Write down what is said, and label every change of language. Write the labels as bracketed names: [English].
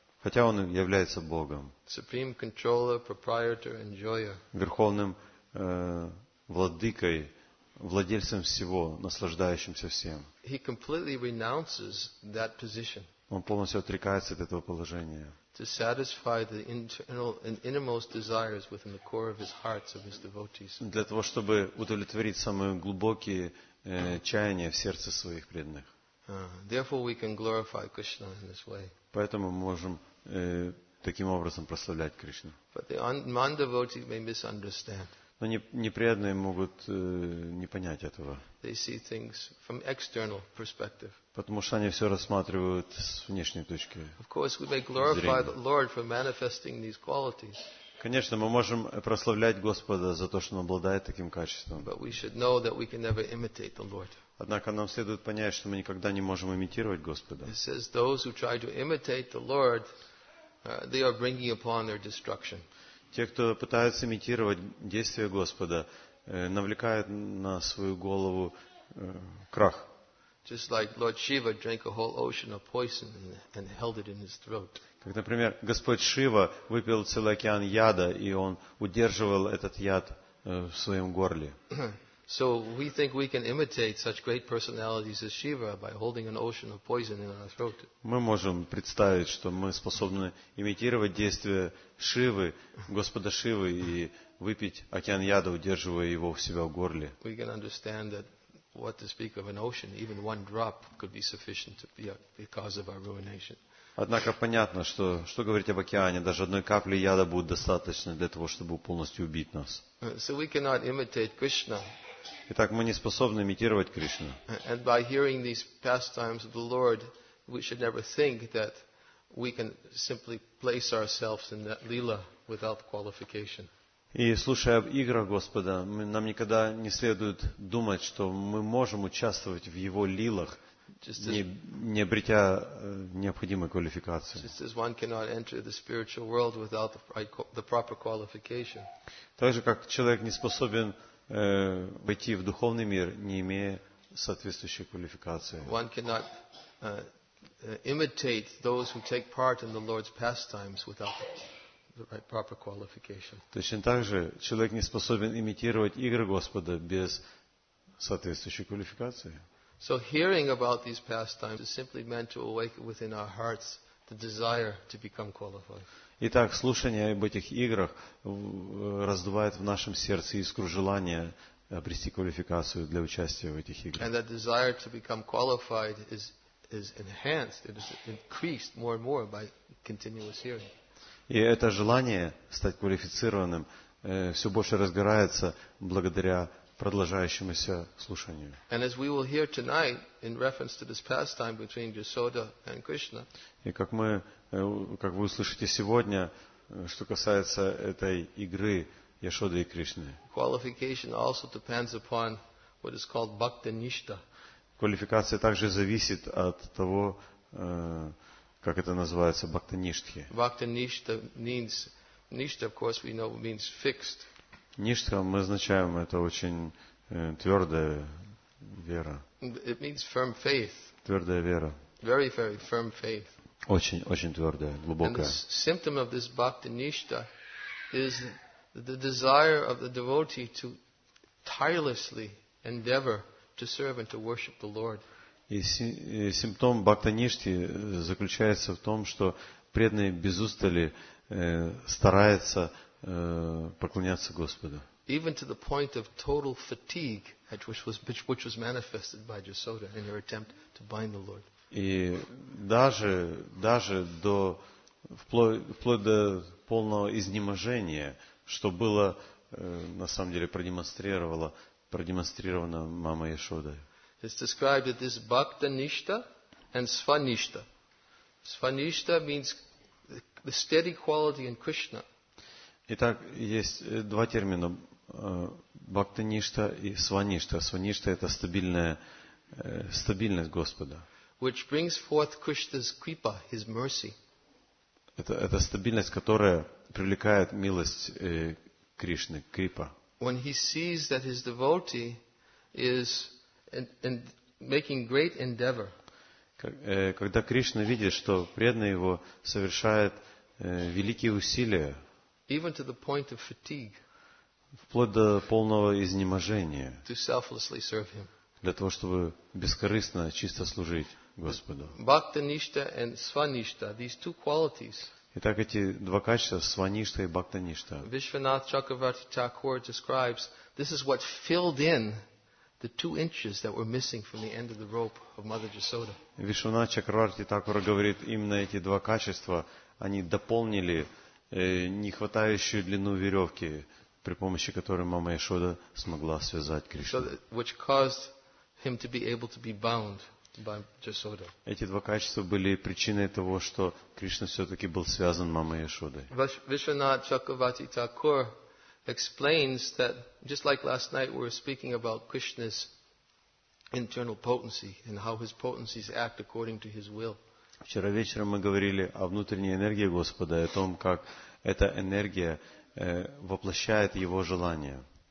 [Russian] хотя он является Богом, [English] supreme controller, proprietor, enjoyer, [Russian] верховным владыкой, владельцем всего, наслаждающимся всем, [English] he completely renounces that position. [Russian] Он полностью отрекается от этого положения. [English] To satisfy the internal and innermost desires within the core of his hearts of his devotees. [Russian] Для того, чтобы удовлетворить самые глубокие чаяния в сердце своих преданных. [English] Therefore, we can glorify Krishna in this way. [Russian] Поэтому мы можем таким образом прославлять Кришну. [English] But the non-devotees may misunderstand. [Russian] Но непреданные могут не понять этого. [English] They see things from external perspective. [Russian] Потому что они все рассматривают с внешней точки зрения. [English] Of course, we may glorify the Lord for manifesting these qualities. [Russian] Конечно, мы можем прославлять Господа за то, что Он обладает таким качеством. [English] But we should know that we can never imitate the Lord. [Russian] Однако нам следует понять, что мы никогда не можем имитировать Господа. [English] It says those who try to imitate the Lord, they are bringing upon their destruction. [Russian] Те, кто пытаются имитировать действия Господа, навлекают на свою голову крах. [English] Just like Lord Shiva drank a whole ocean of poison and held it in his throat. [Russian] Как, например, Господь Шива выпил целый океан яда, и он удерживал этот яд в своем горле. [English] So we think we can imitate such great personalities as Shiva by holding an ocean of poison in our throat. [Russian] Мы можем представить, что мы способны имитировать действия Шивы, Господа Шивы, и выпить океан яда, удерживая его в себя в горле. [English] We can understand that what to speak of an ocean, even one drop could be sufficient to be the cause of our ruination. [Russian] Однако понятно, что говорить об океане, даже одной капли яда будет достаточно для того, чтобы полностью убить нас. [English] So we cannot imitate Krishna. [Russian] Итак, мы не способны имитировать Кришну. [English] And by hearing these pastimes of the Lord, we should never think that we can simply place ourselves in that lila without qualification. [Russian] И слушая об играх Господа, нам никогда не следует думать, что мы можем участвовать в Его лилах, не обретя необходимой квалификации. [English] Just as one cannot enter the spiritual world without the proper qualification. [Russian] Так же, как человек не способен войти в духовный мир, не имея соответствующей квалификации. [English] One cannot imitate those who take part in the Lord's pastimes without the right proper qualification. [Russian] Точно так же человек не способен имитировать игры Господа без соответствующей квалификации. [English] So hearing about these pastimes is simply meant to awaken within our hearts the desire to become qualified. [Russian] Итак, слушание об этих играх раздувает в нашем сердце искру желания обрести квалификацию для участия в этих играх. [English] And that desire to become qualified is enhanced, it is increased more and more by continuous hearing. [Russian] И это желание стать квалифицированным все больше разгорается благодаря продолжающемуся слушанию. [English] And as we will hear tonight in reference to this pastime between Yashoda and Krishna. [Russian] И как вы услышите сегодня, что касается этой игры Яшоды и Кришны. [English] Qualification also depends upon what is called bhakti-nishtha. [Russian] Квалификация также зависит от того, как это называется, бхакти-ништхи. [English] Bhakti-nishtha means nishtha, of course, we know means fixed. [Russian] Ништха, мы означаем, это очень твердая вера. [English] It means firm faith. [Russian] Твердая вера. [English] Very, very firm faith. [Russian] Очень, очень твердая, глубокая. [English] And the symptom of this bhakti-nishtha is the desire of the devotee to tirelessly endeavor to serve and to worship the Lord. [Russian] И симптом бхакти-ништхи заключается в том, что преданный без устали старается поклоняться Господу. [English] Even to the point of total fatigue, which was manifested by Yashoda in her attempt to bind the Lord. [Russian] И даже до вплоть до полного изнеможения, что было на самом деле продемонстрировано мамой Яшодой. [English] It's described as bhakti-nishtha and svanishtha. Svanishtha means the steady quality in Krishna. [Russian] Итак, есть два термина: бхакти-ништа и сваништа. Сваништа — это стабильность Господа. [English] Which brings forth Krishna's kripa, his mercy. [Russian] Это стабильность, которая привлекает милость Кришны, Крипа. [English] When he sees that his devotee is making great endeavor. [Russian] Когда Кришна видит, что преданный его совершает великие усилия. [English] Even to the point of fatigue. [Russian] Вплоть до полного изнеможения. [English] To selflessly serve him. [Russian] Для того, чтобы бескорыстно, чисто служить Господу. [English] Bhakta-nishta and svanishta, these two qualities. [Russian] Итак, эти два качества, сваништа и бхакта-ништа. [English] Vishwanath Chakravarti Thakur describes, this is what filled in the two inches that were missing from the end of the rope of Mother Jasoda. [Russian] Vishwanath Chakravarti Thakur говорит, именно эти два качества, они дополнили нехватающую длину веревки, при помощи которой Мама Яшода смогла связать Кришну. [English] Which caused him to be able to be bound by Jasoda. [Russian] Эти два качества были причиной того, что Кришна все-таки был связан Мамой Яшодой. [English] Vishwanath Chakravarti Thakur explains that just like last night we were speaking about Krishna's internal potency and how his potencies act according to his will. [Russian] Вчера вечером мы говорили о внутренней энергии Господа и о том, как эта энергия воплощает его желание.